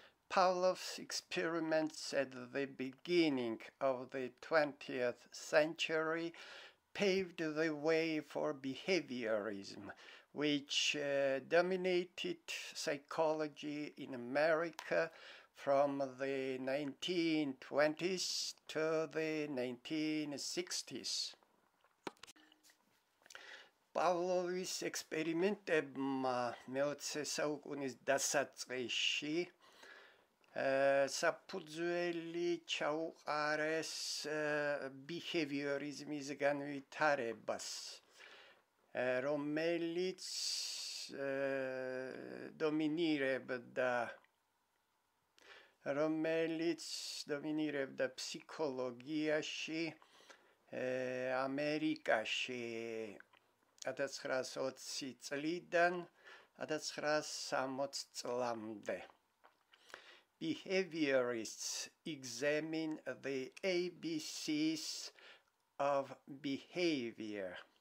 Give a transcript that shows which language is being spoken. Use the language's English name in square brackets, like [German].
[English] Pavlov's experiments at the beginning of the 20th century paved the way for behaviorism, which dominated psychology in America from the 1920s to the 1960s. Pavlov's experiment [Georgian] მეოცე საუკუნის დასაწყისში საფუძველი ჩაუყარეს ბიჰევიორიზმის განვითარებას, რომელიც დომინირებდა ფსიქოლოგიაში, ამერიკაში 1920 წლიდან 1960 წლამდე. [English] Behaviorists examine the ABCs of behavior.